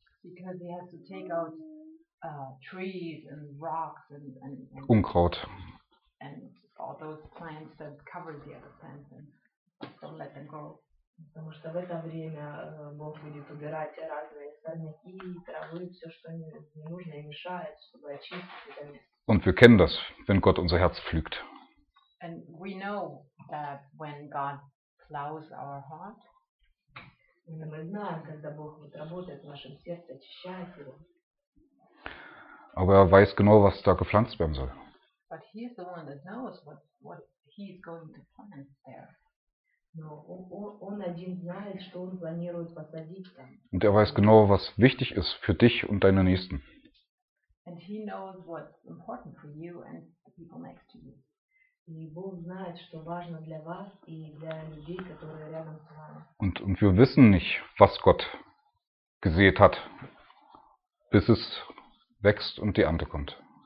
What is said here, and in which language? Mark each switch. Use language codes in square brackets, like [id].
[en] Because they have to take out trees and rocks and [de] Unkraut. [en] And all those plants that cover the other plants and don't let them grow. [ru] Потому что в это время Бог будет убирать разные сорняки, травы, все, что не нужно и мешает, чтобы очистить это место. [de] Und wir kennen das, wenn Gott unser Herz pflügt. [en] And we know that when God plows our heart. [ru] Und мы знаем, когда Бог вот работает в нашем сердце, очищает его. [de] Aber er weiß genau, was da gepflanzt werden soll. [en] But he is the one that knows what he is going to plant there. [ru] Он один знает, что он планирует посадить там. [de] Und er weiß genau, was wichtig ist für dich und deine Nächsten. [en] And he knows what's important for you and the people next to you. [ru] И Бог знает, что важно для вас и для людей, которые рядом с вами. [de] Und wir wissen nicht, was Gott gesät hat, bis es wächst und die Ernte kommt.